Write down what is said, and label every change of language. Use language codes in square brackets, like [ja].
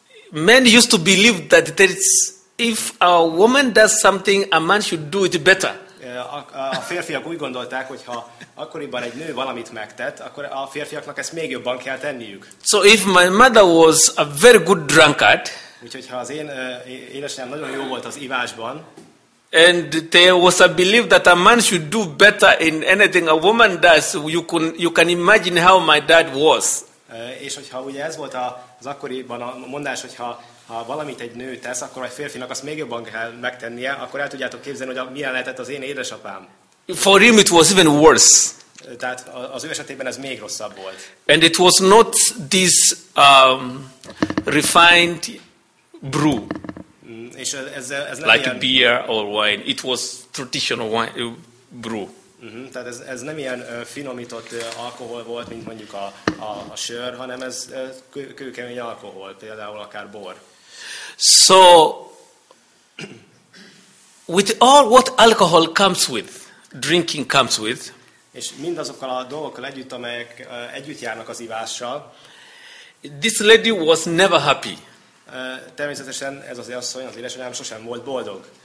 [en] men used to believe that there is, if a woman does something, a man should do it better. [hu] A férfiak úgy gondolták, hogy ha akkoriban egy nő valamit megtett, akkor a férfiaknak ezt még jobban kell tenniük. [en] So if my mother was a very good drunkard, [hu] úgyhogy ha az én édesanyám nagyon jó volt az ivásban, [en] and there was a belief that a man should do better in anything a woman does, you can imagine how my dad was. [hu] És hogyha ugye ez volt az akkoriban a mondás, hogy ha valamit egy nő tesz, akkor a férfinak azt még jobban kell megtennie, akkor el tudjátok képzelni, hogy milyen lehetett az én édesapám. [en] For him it was even worse. [hu] Tehát az ő esetében ez még rosszabb volt. [en] And it was not this refined brew. [hu] És ez nem [en] like [hu] ilyen [en] a beer or wine. It was traditional wine, brew. [hu] Tehát ez nem ilyen finomított alkohol volt, mint mondjuk a sör, hanem ez kőkemény alkohol, például akár bor. [en] So with all what alcohol comes with, drinking comes with, [hu] és mindazokkal a dolgokkal együtt, amelyek együtt járnak az ivással, [en] this lady was never happy. [hu] Természetesen ez az asszony, az édesanyám sosem volt boldog.